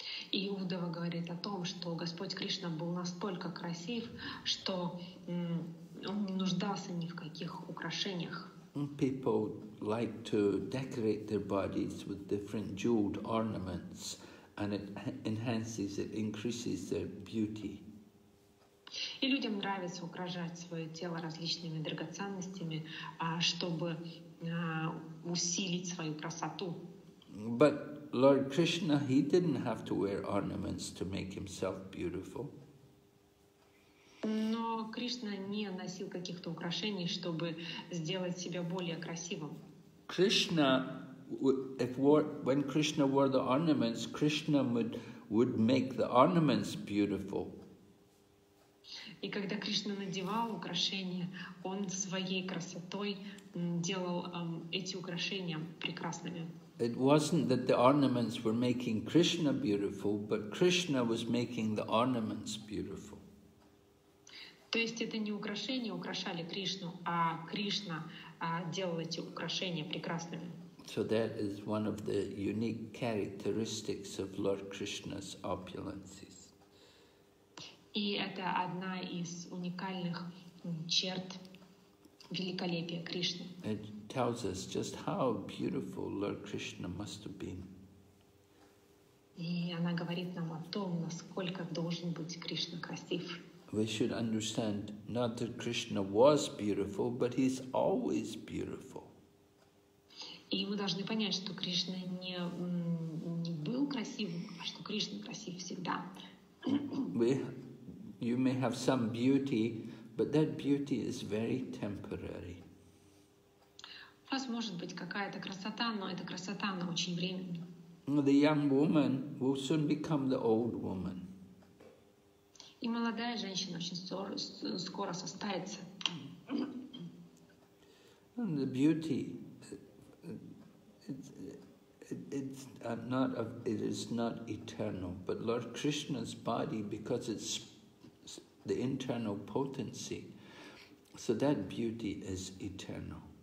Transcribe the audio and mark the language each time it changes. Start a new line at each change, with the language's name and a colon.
Russian: И Удава говорит о том, что Господь Кришна был настолько красив, что он не нуждался ни в каких украшениях.
English: People like to decorate their bodies with different jeweled ornaments, and it enhances, it increases their beauty.
Russian: И людям нравится украшать свое тело различными драгоценностями, чтобы усилить свою красоту.
English: But Lord Krishna, he didn't have to wear ornaments to make himself beautiful.
Russian: Но Кришна не носил каких-то украшений, чтобы сделать себя более красивым.
English: Krishna, when Krishna wore the ornaments, Krishna would make the ornaments beautiful.
Russian: И когда Кришна надевал украшения, он своей красотой делал эти украшения прекрасными.
English: It wasn't that the ornaments were making Krishna beautiful, but Krishna was making the ornaments beautiful.
Russian: То есть это не украшения украшали Кришну, а Кришна делал эти украшения прекрасными.
English: So that is one of the unique characteristics of Lord Krishna's opulences.
Russian: И это одна из уникальных черт великолепия Кришны.
English: It tells us just how beautiful Lord Krishna must have been.
Russian: И она говорит нам о том, насколько должен быть Кришна красив.
English: We should understand not that Krishna was beautiful, but he's always beautiful.
Russian: И мы должны понять, что Кришна не был красивым, а что Кришна красив всегда.
English: You may have some beauty, but that beauty is very temporary.
Russian: У вас может быть какая-то красота, но эта красота на очень временно.
English: The young woman will soon become the old woman.
Russian: И молодая женщина очень скоро состарится.
English: And the beauty, it is not eternal, but Lord Krishna's body, because it's the internal potency, so that beauty is eternal.